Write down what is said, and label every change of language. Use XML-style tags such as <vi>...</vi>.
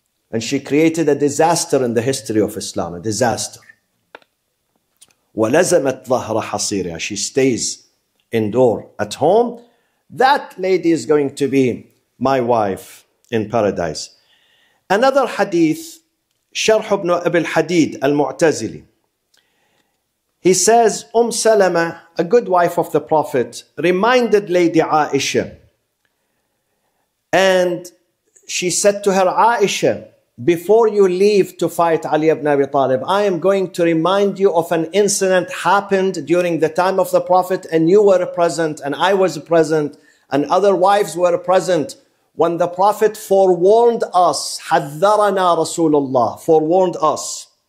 <en>And she created a disaster in the history of Islam, a disaster.</en> <ar>وَلَزَمَتْ ظَهْرَ حَصِيرِهَا.</ar> <en>She stays indoor at home. That lady is going to be my wife in paradise. Another hadith,</en> <ar>شرح ابن أبي الحديد المعتزلي.</ar> <en>He says, Salama, a good wife of the Prophet, reminded Lady Aisha. And she said to her, Aisha, before you leave to fight Ali ibn Abi Talib, I am going to remind you of an incident happened during the time of the Prophet, and you were present, and I was present, and other wives were present, when the Prophet forewarned us,</en> <ar>حَذَّرَنَا رَسُولُ اللَّهِ,</ar> <en>forewarned us.</en>